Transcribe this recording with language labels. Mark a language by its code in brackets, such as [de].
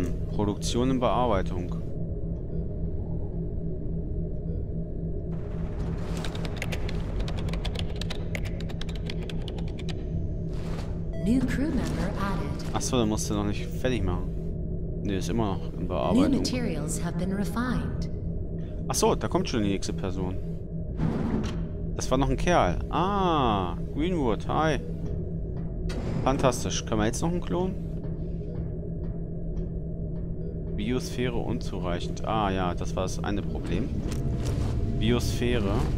[de] Produktion in Bearbeitung. [en] New crew member added. [de] Achso, dann musst du noch nicht fertig machen. Nee, ist immer noch in Bearbeitung. [en] New materials have been refined. [de] Achso, da kommt schon die nächste Person. Das war noch ein Kerl. Ah, Greenwood, hi. Fantastisch. Können wir jetzt noch einen Klon? Biosphäre unzureichend. Ah ja, das war das eine Problem. Biosphäre.